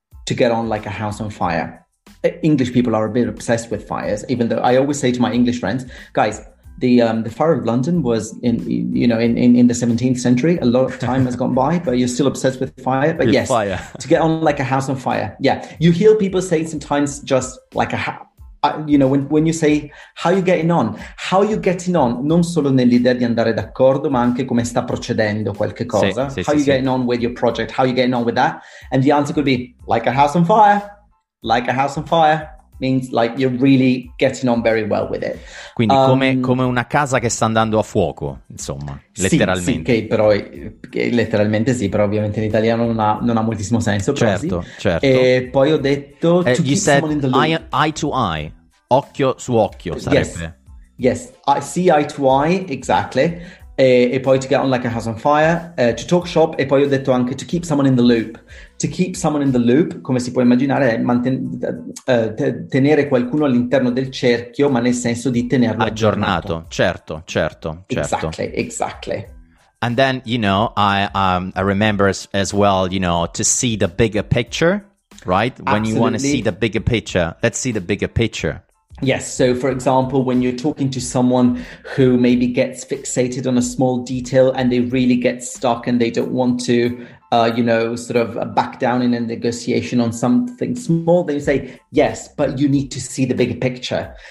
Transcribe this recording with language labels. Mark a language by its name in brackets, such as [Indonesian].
[English] To get on like a house on fire. English people are a bit obsessed with fires, even though I always say to my English friends, guys, the Fire of London was in the 17th century. A lot of time has gone by, but you're still obsessed with fire. But yes, fire. To get on like a house on fire. Yeah, you hear people say sometimes just like when you say, how are you getting on? How are you getting on? [Italian] Non solo nell'idea di andare d'accordo, ma anche come sta procedendo qualche cosa. [English] How are you getting on with your project? How are you getting on with that? And the answer could be, like a house on fire. Like a house on fire means like you're really getting on very well with it. [Italian] Quindi come una casa che sta andando a fuoco, insomma, letteralmente. Sì, sì, che letteralmente sì, però ovviamente in italiano non ha moltissimo senso. Certo, sì. Certo. E poi ho detto to [English] you keep said someone in the loop. Eye to eye, [Italian] occhio su occhio sarebbe. [English] Yes, I see eye to eye, exactly. [Italian] E poi [English] to get on like a house on fire, to talk shop, [Italian] e poi ho detto anche [English] to keep someone in the loop. To keep someone in the loop, [Italian] come si può immaginare, è tenere qualcuno all'interno del cerchio, ma nel senso di tenerlo aggiornato. Certo, certo, certo. [English] Exactly, exactly. And then, you know, I remember as well, you know, to see the bigger picture, right? When Absolutely. You want to see the bigger picture, let's see the bigger picture. Yes, so for example, when you're talking to someone who maybe gets fixated on a small detail and they really get stuck and they don't want to, sort of back down in a negotiation on something small, then you say, yes, but you need to see the bigger picture.